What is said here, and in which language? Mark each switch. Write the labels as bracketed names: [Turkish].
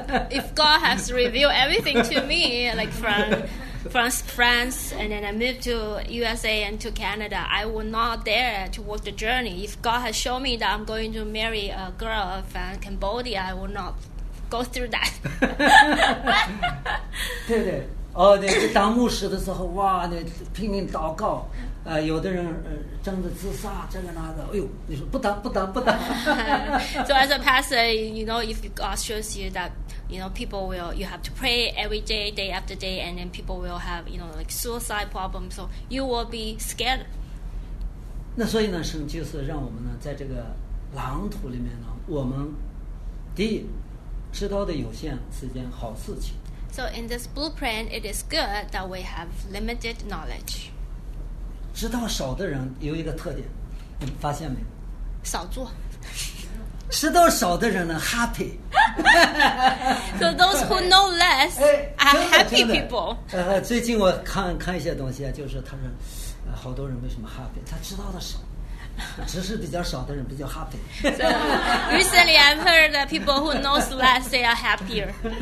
[English] If God has revealed everything to me, like from from France, and then I moved to USA and to Canada. I would not dare to walk the journey. If God has shown me that I'm going to marry a girl from Cambodia, I will not go through that. [Chinese] 对对，哦，对，就当牧师的时候，哇，那拼命祷告，有的人争着自杀，这个那个，哎呦，你说不当不当不当。 [English] So as a pastor, you know, if God shows you that. You know, people will, you have to pray every day, day after day, and then people will have, you know, like suicide problems, so you will be scared. [Chinese] 那所以呢，神就是让我们呢，在这个狼土里面呢，我们第一，知道的有限是件好事情。 [English] So in this blueprint, it is good that we have limited knowledge. [Chinese] 知道少的人有一个特点，你发现没有？少做。知道少的人呢 ，happy。 [English] So those who know less are happy people. [Chinese] 最近我看一些东西啊，就是他说，好多人为什么 happy？他知道的少，知识比较少的人比较 happy。 [English] So recently, I've heard that people who knows less they are happier.